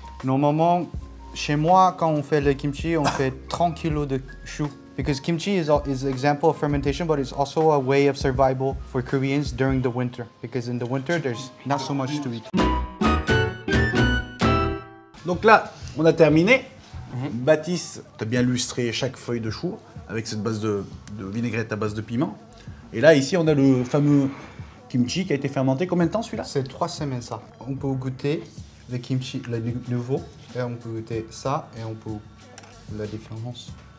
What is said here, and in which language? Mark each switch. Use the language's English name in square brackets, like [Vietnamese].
[French] Normalement, chez moi, quand on fait le kimchi, on fait 30 kilos de choux. [English] Because kimchi is an example of fermentation, but it's also a way of survival for Koreans during the winter. Because in the winter, there's not so much to eat. [French] Donc là, on a terminé. Mm-hmm. Baptiste, tu as bien lustré chaque feuille de chou avec cette base de vinaigrette à base de piment. Et là, ici, on a le fameux kimchi qui a été fermenté. Combien de temps celui-là? C'est 3 semaines, ça. On peut goûter le kimchi, le nouveau, et on peut goûter ça, et on peut la différence.